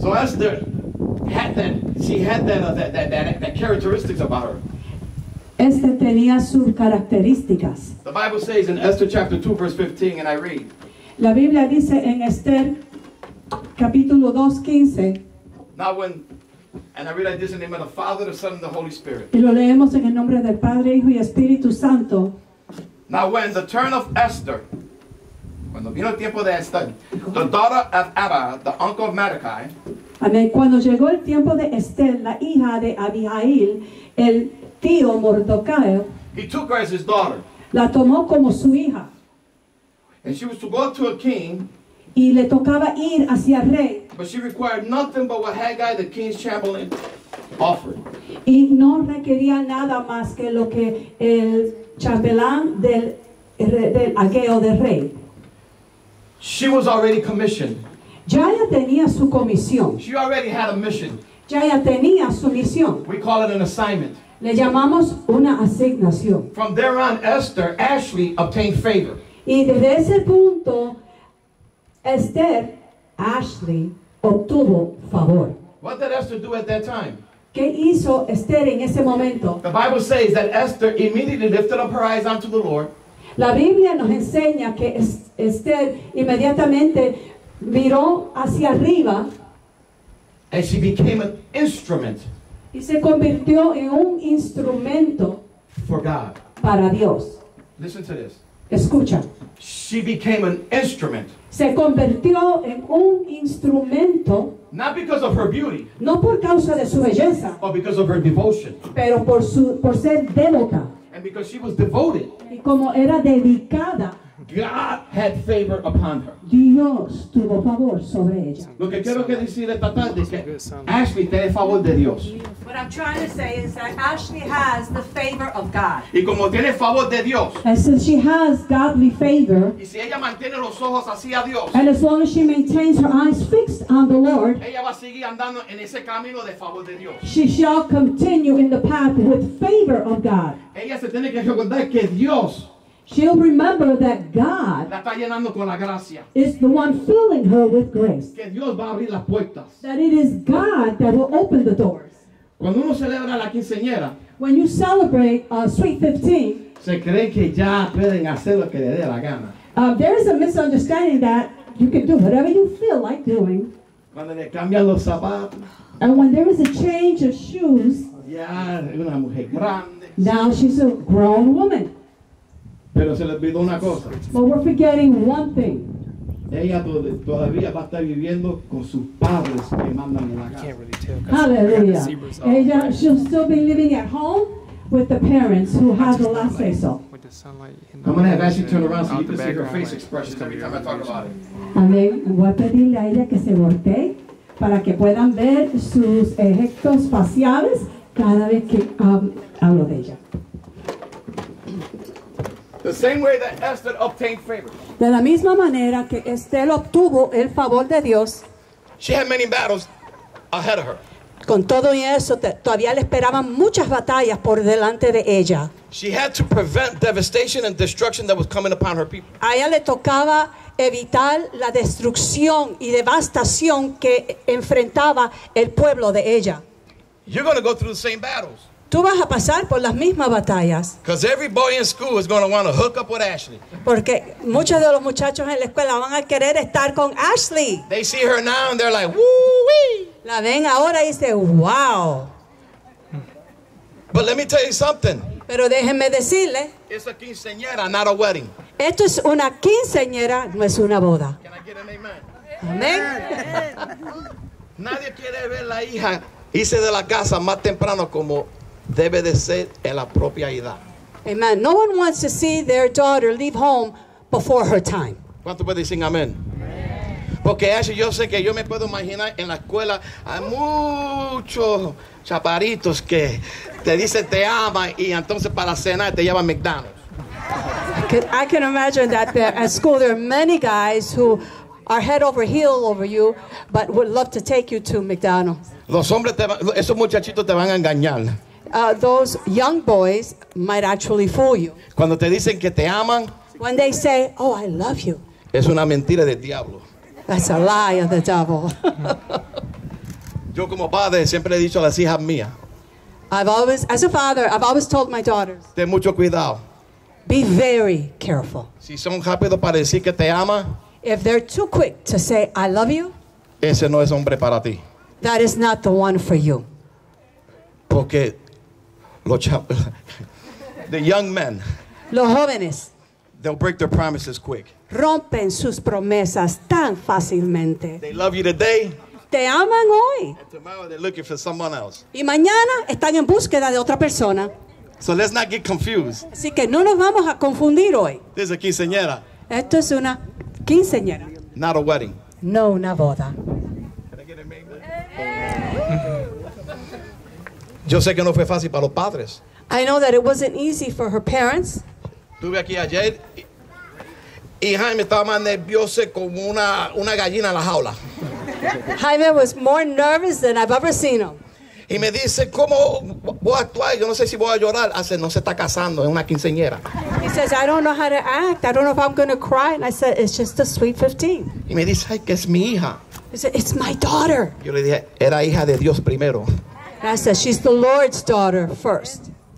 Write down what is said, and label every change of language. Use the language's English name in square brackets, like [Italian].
[English] So Esther had that, she had that, that characteristics about her. [Spanish] Esther tenía sus características. [English] The Bible says in Esther chapter 2 verse 15 and I read. [Spanish] La Biblia dice en Esther capítulo 2, 15. [English] Now when and I read like this in the name of the Father, the Son, and the Holy Spirit. [Spanish] Y lo leemos en el nombre del Padre, Hijo y Espíritu Santo. [English] Now when the turn of Esther, [Spanish] cuando vino el tiempo de Esther, [English] the daughter of Abba, the uncle of Mordecai. [Spanish] Amén. Cuando llegó el tiempo de Esther, la hija de Abihail, el tío Mordecai. [English] He took her as his daughter. [Spanish] La tomó como su hija. [English] And she was to go to a king. [Spanish] Y le tocaba ir hacia el rey. [English] But she required nothing but what Haggai, the king's chamberlain, offered. [Spanish] Y no requería nada más que lo que el chambelán del Ageo del rey. [English] She was already commissioned. [Spanish] Ya ella tenía su comisión. [English] She already had a mission. [Spanish] Ya ella tenía su misión. [English] We call it an assignment. [Spanish] Le llamamos una asignación. [English] From there on, Esther, Ashley, obtained favor. [Spanish] Y desde ese punto, Esther, Ashley, obtuvo favor. [English] What did Esther do at that time? [Spanish] ¿Qué hizo Esther en ese momento? [English] The Bible says that Esther immediately lifted up her eyes unto the Lord. [Spanish] La Biblia nos enseña que Esther inmediatamente miró hacia arriba. [English] And she became an instrument. [Spanish] Y se convirtió en un instrumento. [English] For God. [Spanish] Para Dios. [English] Listen to this. [Spanish] Escucha. [English] She became an instrument. [Spanish] Se convirtió en un instrumento. [English] Not because of her beauty. [Spanish] No por causa de su belleza. [English] But because of her devotion. [Spanish] Pero por ser devota. [English] And because she was devoted. [Spanish] Y como era dedicada. [English] God had favor upon her. [Spanish] Dios tuvo favor sobre ella. Lo que quiero que decir esta tarde es que Ashley tiene favor de Dios. [English] What I'm trying to say is that Ashley has the favor of God. [Spanish] Y como tiene favor de Dios. [English] And since she has godly favor. [Spanish] Y si ella mantiene los ojos así a Dios. [English] And as long as she maintains her eyes fixed on the Lord. [Spanish] Ella va a seguir andando en ese camino de favor de Dios. [English] She shall continue in the path with favor of God. [Spanish] Ella se tiene que recordar que Dios. [English] She'll remember that God [Spanish] la está llenando con la gracia. [English] Is the one filling her with grace. [Spanish] Que Dios va a abrir las puertas. [English] That it is God that will open the doors. [Spanish] Cuando uno celebra la quinceañera, [English] when you celebrate a sweet 15, [Spanish] se cree que ya pueden hacer lo que le dé la gana. [English] There is a misunderstanding that you can do whatever you feel like doing. [Spanish] Cuando le cambian los zapatos. [English] And when there is a change of shoes, [Spanish] ya es una mujer grande. [English] Now she's a grown woman. [Spanish] Pero se le olvidó una cosa. [English] But we're forgetting one thing. [Spanish] Ella todavía va a estar viviendo con sus padres que mandan en la casa. [English] Hallelujah. Ella, she'll still be living at home with the parents who have the last say so. I'm going to have Ashley turn around so you can see her face expression every time I talk about it. [Spanish] Amén. Voy a pedirle a ella que se voltee para que puedan ver sus gestos faciales cada vez que hablo de ella. [English] The same way that Esther obtained favor. [Spanish] De la misma manera que Esther obtuvo el favor de Dios. [English] She had many battles ahead of her. [Spanish] Con todo y eso, todavía le esperaban muchas batallas por delante de ella. [English] She had to prevent devastation and destruction that was coming upon her people. [Spanish] A ella le tocaba evitar la destrucción y devastación que enfrentaba el pueblo de ella. [English] You're going to go through the same battles. [Spanish] Tú vas a pasar por las mismas batallas. [English] Because every boy in school is going to want to hook up with Ashley. [Spanish] Porque muchos de los muchachos en la escuela van a querer estar con Ashley. [English] They see her now and they're like, woo-wee. [Spanish] La ven ahora y dicen, wow. [English] But let me tell you something. [Spanish] Pero déjenme decirle. [English] It's a quinceañera, not a wedding. [Spanish] Esto es una quinceañera, no es una boda. Amén. Nadie quiere ver la hija irse de la casa más temprano como debe de ser en la propia edad. [English] Amen. No one wants to see their daughter leave home before her time. [Spanish] ¿Cuánto puede decir amén? Porque eso yo sé que yo me puedo imaginar en la escuela hay muchos chaparitos que te dicen te aman y entonces para cenar te llevan McDonald's. [English] I can imagine that there, at school there are many guys who are head over heel over you but would love to take you to McDonald's. [Spanish] Los hombres te van, esos muchachitos te van a engañar. [English] Those young boys might actually fool you. [Spanish] Cuando te dicen que te aman, [English] when they say, oh, I love you. [Spanish] Es una mentira del diablo. [English] That's a lie of the devil. [Spanish] Yo como padre siempre le he dicho a las hijas mías. [English] I've always, as a father, I've always told my daughters. [Spanish] Ten mucho cuidado. [English] Be very careful. [Spanish] Si son rápidos para decir que te ama. [English] If they're too quick to say I love you. [Spanish] Ese no es hombre para ti. [English] That is not the one for you. [Spanish] Porque los [English] the young men. [Spanish] Los jóvenes. [English] They'll break their promises quick. [Spanish] Rompen sus promesas tan fácilmente. [English] They love you today. [Spanish] Te aman hoy. [English] And tomorrow they're looking for someone else. [Spanish] Y mañana están en búsqueda de otra persona. [English] So let's not get confused. [Spanish] Así que no nos vamos a confundir hoy. [English] This is a quinceañera. [Spanish] Esto es una quinceañera. [English] Not a wedding. [Spanish] No una boda. [English] Can I get a maiden? [Spanish] Yo sé que no fue fácil para los padres. [English] I know that it wasn't easy for her parents. [Spanish] Estuve aquí ayer y Jaime estaba más nervioso como una gallina en la jaula. [English] Jaime was more nervous than I've ever seen him. [Spanish] Y me dice, ¿cómo voy a actuar? Yo no sé si voy a llorar. Hace, no se está casando, es una quinceañera. [English] He says, I don't know how to act. I don't know if I'm going to cry. And I said, it's just a sweet 15. [Spanish] Y me dice, ay, que es mi hija. [English] He said, it's my daughter. [Spanish] Yo le dije, era hija de Dios primero. [English] And I said, she's the Lord's daughter first.